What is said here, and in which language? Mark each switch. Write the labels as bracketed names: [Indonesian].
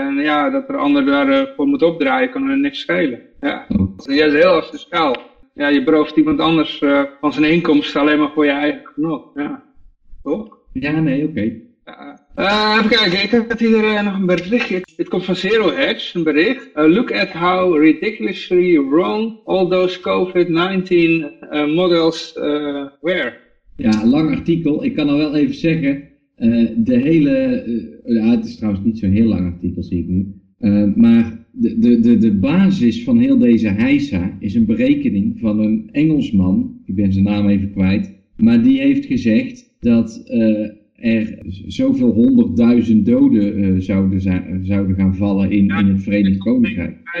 [Dutch] En ja, dat er ander daarvoor moet opdraaien, kan er niks schelen. Ja, dat is heel asociaal. Ja, je berooft iemand anders van zijn inkomsten alleen maar voor je eigen genot. Ja. Toch? Ja, nee, oké. Okay. Even kijken, ik heb hier nog een berichtje. Dit komt van Zero Hedge, een bericht. [English] Look at how ridiculously wrong all those COVID-19 models were. [Dutch] Ja, lang artikel. Ik kan al wel even zeggen, de hele... het is trouwens niet zo'n heel lang artikel, zie ik nu. Maar... De basis van heel deze heisa is een berekening van een Engelsman, ik ben zijn naam even kwijt, maar die heeft gezegd dat er zoveel 100.000 doden zouden gaan vallen in het Verenigd Koninkrijk.